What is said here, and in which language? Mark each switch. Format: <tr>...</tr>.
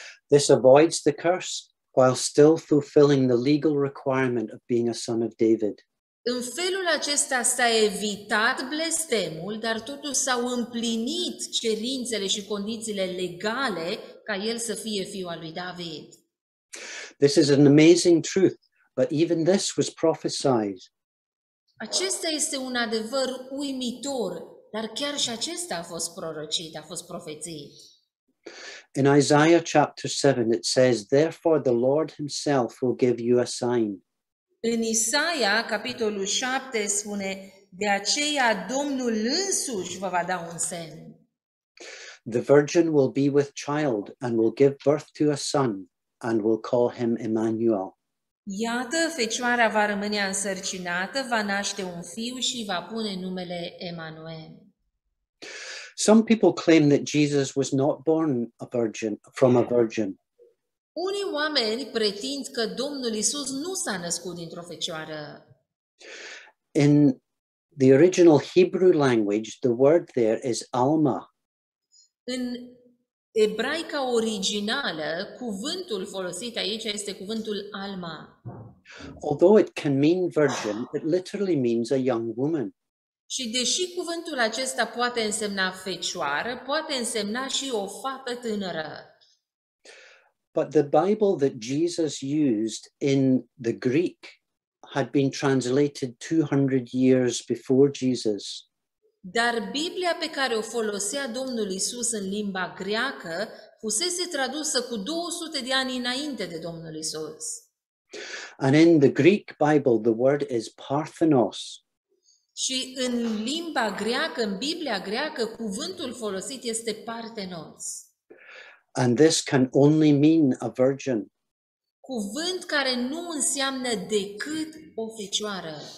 <en>This avoids the curse while still fulfilling the legal requirement of being a son of David.</en> <ro>În felul acesta s-a evitat blestemul, dar totuși s-au împlinit cerințele și condițiile legale ca el să fie fiul al lui David.</ro> <en>This is an amazing truth, but even this was prophesied.</en> <ro>Acesta este un adevăr uimitor, dar chiar și acesta a fost prorocit, a fost profețit.</ro> <en>In Isaiah chapter 7 it says, therefore the Lord himself will give you a sign.</en> <ro>În Isaia, capitolul 7, spune, de aceea Domnul însuși vă va da un semn.</ro> <en>The virgin will be with child and will give birth to a son and will call him Emmanuel.</en> <ro>Iată, fecioara va rămâne însărcinată, va naște un fiu și va pune numele Emmanuel.</ro> <en>Some people claim that Jesus was not born a virgin, from a virgin.</en> <ro>Unii oameni pretind că Domnul Iisus nu s-a născut dintr-o fecioară.</ro> <en>In the original Hebrew language, the word there is Alma.</en> <ro>În ebraica originală, cuvântul folosit aici este cuvântul Alma.</ro> <en>Although it can mean virgin, it literally means a young woman.</en> <ro>Și deși cuvântul acesta poate însemna fecioară, poate însemna și o fată tânără.</ro> <en>But the Bible that Jesus used in the Greek had been translated 200 years before Jesus.</en> <ro>Dar Biblia pe care o folosea Domnul Iisus în limba greacă fusese tradusă cu 200 de ani înainte de Domnul Iisus.</ro> <en>And in the Greek Bible the word is Parthenos.</en> <ro>Și în limba greacă, în Biblia greacă, cuvântul folosit este Parthenos.</ro> <en>And this can only mean a virgin.</en> <ro>Cuvânt care nu înseamnă decât o fecioară.</ro>